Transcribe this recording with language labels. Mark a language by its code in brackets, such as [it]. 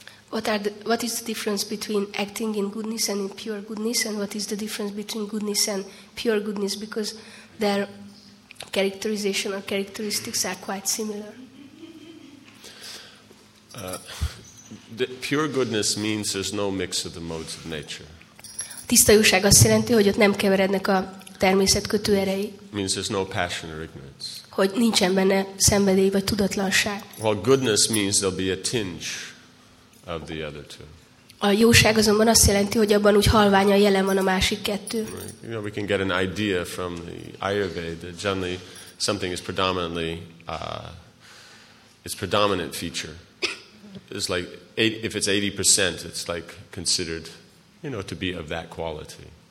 [en] What is the difference between acting in goodness and in pure goodness, and what is the difference between goodness and pure goodness? Because there characterization or characteristics are quite similar. The pure goodness means there's no mix of the modes of nature. [hu] Tiszta jóság azt jelenti, hogy ott nem keverednek a természet kötő erei. [en] Means there's no passion or ignorance. [hu] Hogy nincsen benne szenvedély vagy tudatlanság. [en] Well, goodness means there'll be a tinge of the other two. [hu] A jóság azonban azt jelenti, hogy abban úgy halványan jelen van a másik kettő. [en] You know, we can get an idea from the Ayurveda that generally something is predominantly its predominant feature. It's like if it's 80%, it's like considered, you know, to be of that quality.